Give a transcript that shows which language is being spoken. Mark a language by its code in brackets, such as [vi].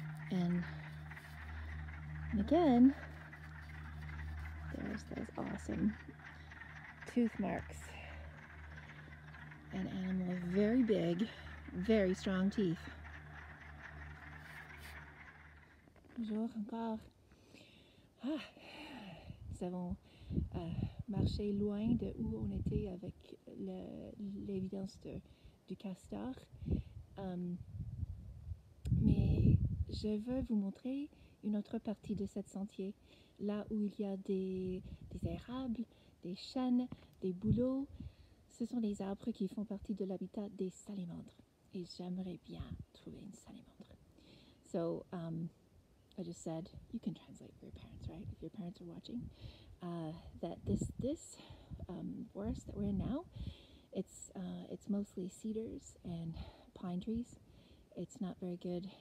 [en] And again, there's those awesome tooth marks. An animal with very big, very strong teeth. [fr] Bonjour encore. Ah, nous avons marché loin de où on était avec l'évidence du castor. Mais je veux vous montrer une autre partie de cette sentier. Là où il y a des érables, des chênes, des bouleaux. Ce sont des arbres qui font partie de l'habitat des salamandres. Et j'aimerais bien trouver une salamandre. [en] So, I just said, you can translate for your parents, right? If your parents are watching. That this forest that we're in now, it's mostly cedars and pine trees. It's not very good.